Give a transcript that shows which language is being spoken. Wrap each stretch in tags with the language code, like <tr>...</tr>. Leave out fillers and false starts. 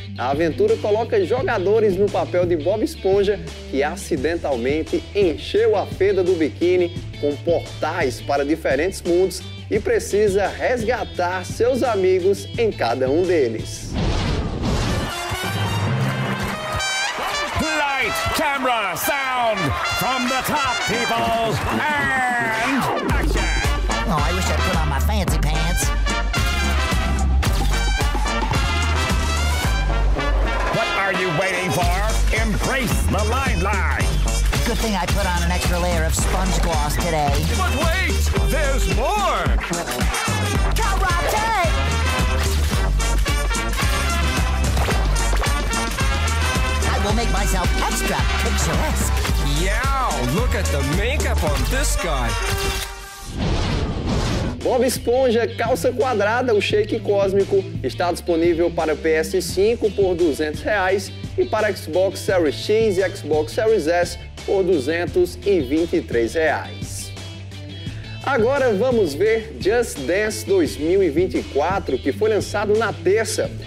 <pt>A aventura coloca jogadores no papel de Bob Esponja, que acidentalmente encheu a fenda do biquíni com portais para diferentes mundos e precisa resgatar seus amigos em cada um deles.</pt> <en>Light, camera, sound, from the top, people, and action! Oh, I wish I'd put on my fancy pants. What are you waiting for? Embrace the limelight! Good thing I put on an extra layer of sponge gloss today. But wait, there's more! Karate! I will make myself extra picturesque. Yeah, look at the makeup on this guy.</en> <pt>Bob Esponja Calça Quadrada, o Shake Cósmico, está disponível para PS5 por R$200 e para Xbox Series X e Xbox Series S por R$223. Agora vamos ver Just Dance 2024, que foi lançado na terça.</pt>